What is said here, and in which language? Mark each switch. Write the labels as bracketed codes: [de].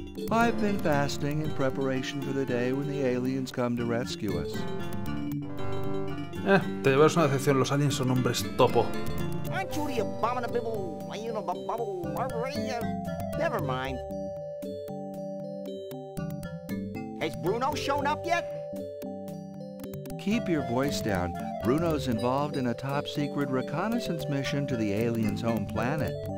[en] I've been fasting in preparation for the day when the aliens come to rescue us. [es] Te llevas una decepción, los aliens son hombres topo. [en] Aren't you the abominable, you know, bubble, never mind. Has Bruno shown up yet? Keep your voice down. Bruno's involved in a top secret reconnaissance mission to the aliens' home planet.